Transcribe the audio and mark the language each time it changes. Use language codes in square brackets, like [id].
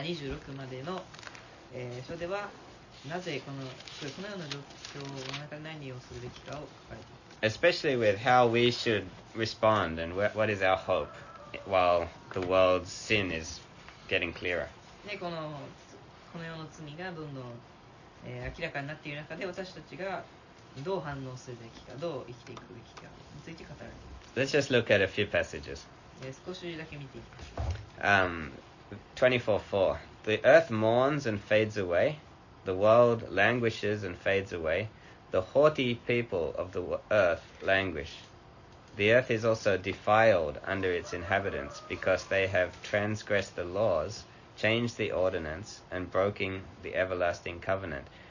[ja] 26までの、章では、なぜこのような状況の中で何をするべきかを書かれています。 [en] Especially with how we should respond and what is our hope while the world's sin is getting clearer. [ja] この世の罪がどんどん、明らかになっている中で私たちがどう反応するべきか、どう生きていくべきかについて語られています。 [en] Let's just look at a few passages. [ja] 少しだけ見ていきましょう。 [en] 24:4. The earth mourns and fades away. The world languishes and fades away. The haughty people of the earth languish. The earth is also defiled under its inhabitants because they have transgressed the laws, changed the ordinance, and broken the everlasting covenant.